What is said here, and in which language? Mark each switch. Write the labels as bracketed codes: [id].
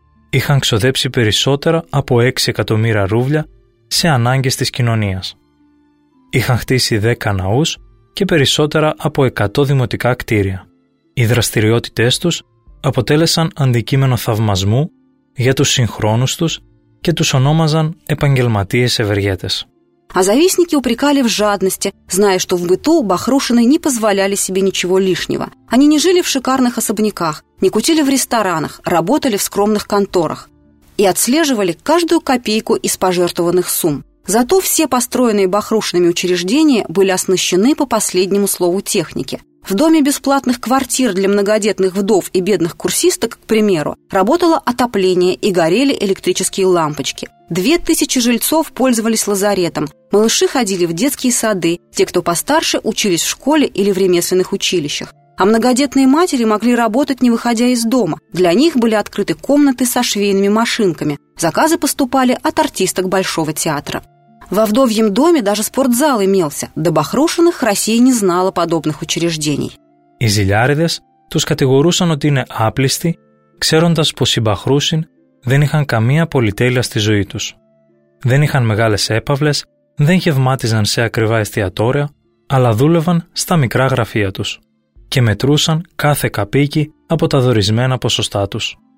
[el] Είχαν ξοδέψει περισσότερα από 6 εκατομμύρια ρούβλια σε ανάγκες της κοινωνίας. Είχαν χτίσει 10 ναούς και περισσότερα από 100 δημοτικά κτίρια. Οι δραστηριότητές τους αποτέλεσαν αντικείμενο θαυμασμού για τους συγχρόνους τους και τους ονόμαζαν επαγγελματίες ευεργέτες. [ru] А завистники упрекали в жадности, зная, что в быту Бахрушины не позволяли себе ничего лишнего. Они не жили в шикарных особняках, не кутили в ресторанах, работали в скромных конторах и отслеживали каждую копейку из пожертвованных сумм. Зато все построенные Бахрушинами учреждения были оснащены по последнему слову техники. В доме бесплатных квартир для многодетных вдов и бедных курсисток, к примеру, работало отопление и горели электрические лампочки. 2000 жильцов пользовались лазаретом. Малыши ходили в детские сады, те, кто постарше, учились в школе или в ремесленных училищах. А многодетные матери могли работать, не выходя из дома. Для них были открыты комнаты со швейными машинками. Заказы поступали от артисток Большого театра. Во вдовьем доме даже спортзал имелся. До Бахрушиных Россия не знала подобных учреждений. [el] Οι ζηλιάριδες τους κατηγορούσαν ότι είναι άπλιστοι, ξέροντας πως οι Μπαχρούσιν δεν είχαν καμία πολυτέλεια στη ζωή τους. Δεν είχαν μεγάλες έπαυλες, δεν γευμάτιζαν σε ακριβά εστιατόρια, αλλά δούλευαν στα μικρά γραφεία τους και μετρούσαν κάθε καπίκι από τα δορισμένα ποσοστά τους.